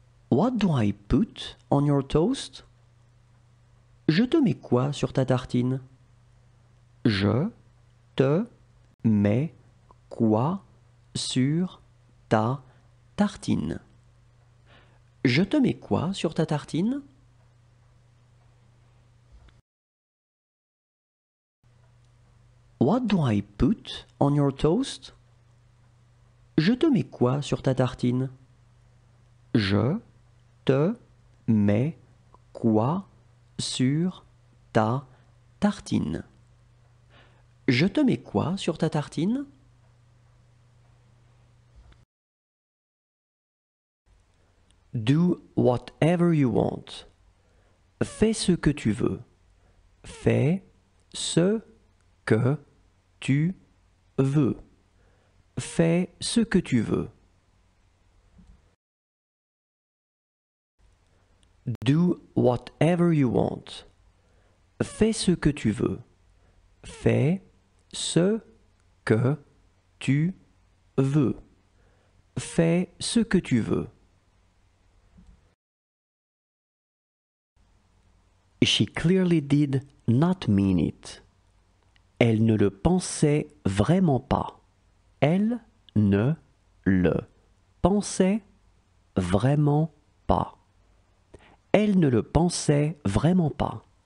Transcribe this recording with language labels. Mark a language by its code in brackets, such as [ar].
[en] What do I put on your toast? [fr] Je te mets quoi sur ta tartine? Je te mets quoi sur ta tartine? Je te mets quoi sur ta tartine? [en] What do I put on your toast? [fr] Je te mets quoi sur ta tartine? Je te mets quoi sur ta tartine? Je te mets quoi sur ta tartine? [en] Do whatever you want. [fr] Fais ce que tu veux. Fais ce que tu veux. Fais ce que tu veux. [en] Do whatever you want. [fr] Fais ce que tu veux. Fais ce que tu veux. Fais ce que tu veux. [en] She clearly did not mean it. [fr] Elle ne le pensait vraiment pas. Elle ne le pensait vraiment pas. Elle ne le pensait vraiment pas.